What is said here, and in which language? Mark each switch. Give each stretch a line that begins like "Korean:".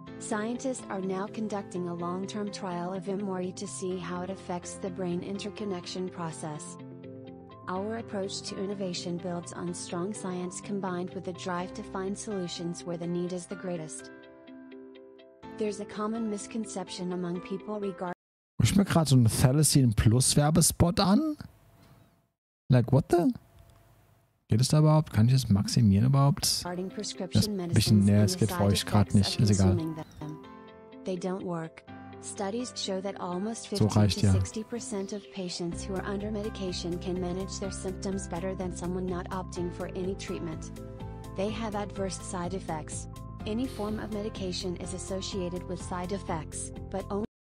English: Scientists are now conducting a long-term trial of Emory to see how it affects the brain interconnection process. Our approach to innovation builds on strong science combined with a drive to find solutions where the need is the greatest. There's a common misconception among people regarding...
German: Ich mir gerade so einen Thalassin Plus Werbespot an?
English: Like, what the...
German: Geht es da überhaupt? Kann ich es maximieren überhaupt? Das ist ein bisschen, nee, es geht für euch gerade nicht. Ist egal.
English: They don't work. Studies show that almost 50-60% of patients who are under medication can manage their symptoms better than someone not opting for any treatment. They have adverse side effects. Any form of medication is associated with side effects, but only...